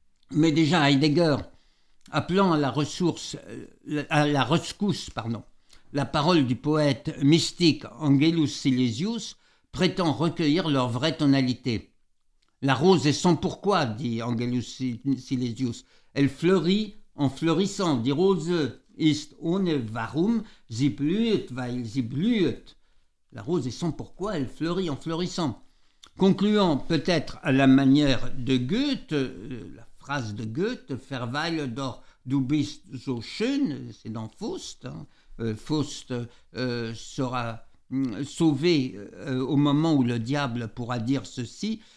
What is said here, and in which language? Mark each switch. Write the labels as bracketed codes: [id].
[fr] Mais déjà Heidegger, appelant à la ressource, à la rescousse, pardon, la parole du poète mystique Angelus Silesius, prétend recueillir leur vraie tonalité. La rose est sans pourquoi, dit Angelus Silesius. Elle fleurit en fleurissant, dit [de] Rose ist ohne warum, sie blüht, weil sie blüht. [fr] La rose est sans pourquoi, elle fleurit en fleurissant. Concluant peut-être à la manière de Goethe, la phrase de Goethe, [de] Verweil doch, du bist so schön, [fr] c'est dans Faust. Hein. Faust sera sauvé au moment où le diable pourra dire ceci.